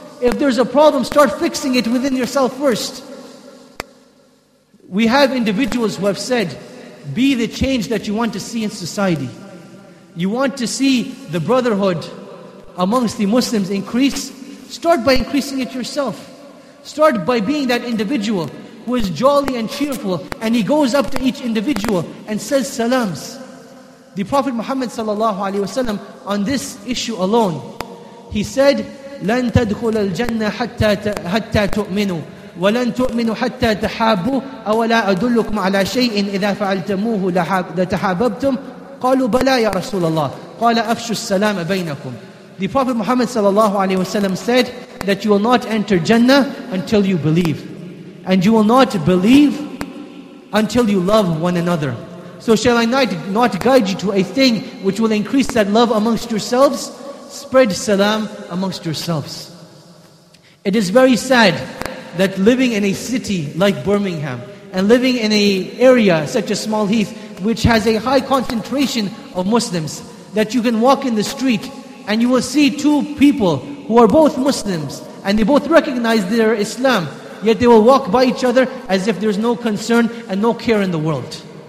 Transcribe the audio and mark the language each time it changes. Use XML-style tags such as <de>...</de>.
<en>If there's a problem, start fixing it within yourself first. We have individuals who have said, be the change that you want to see in society. You want to see the brotherhood amongst the Muslims increase, start by increasing it yourself. Start by being that individual who is jolly and cheerful, and he goes up to each individual and says salams. The Prophet Muhammad sallallahu alaihi wasallam, on this issue alone, he said,</en> <ar>لَن تَدْخُلَ الْجَنَّةَ حَتَّى تُؤْمِنُوا وَلَن تُؤْمِنُوا حَتَّى تَحَابُوا أَوَلَا أَدُلُّكُمْ عَلَى شَيْءٍ إِذَا فَعَلْتَمُوهُ لَتَحَابَبْتُمْ قَالُوا بَلَا يَا رَسُولَ اللَّهِ قَالَ أَفْشُ السَّلَامَ بَيْنَكُمْ.</ar> <en>The Prophet Muhammad sallallahu alaihi wasallam said that you will not enter Jannah until you believe, and you will not believe until you love one another. So shall I not guide you to a thing which will increase that love amongst yourselves? Spread salam amongst yourselves. It is very sad that living in a city like Birmingham and living in an area such as Small Heath, which has a high concentration of Muslims, that you can walk in the street and you will see two people who are both Muslims and they both recognize their Islam, yet they will walk by each other as if there's no concern and no care in the world.</en>